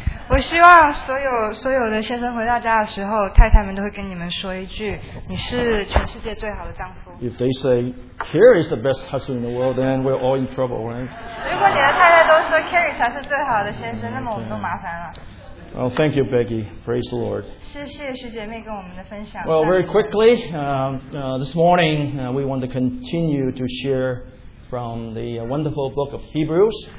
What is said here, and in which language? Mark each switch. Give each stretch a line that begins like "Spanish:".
Chinese: "I 希望所有的先生回到家的时候，太太们都会跟你们说一句，你是全世界最好的丈夫。
English: If they say, "Kerry is the best husband in the world," then we're all in trouble, right?
Chinese: 如果你的太太都说 Kerry 才是最好的先生，那么我们都麻烦了。
English: Well, thank you, Peggy. Praise the Lord. Well, very quickly, this morning, we want to continue to share from the wonderful book of Hebrews.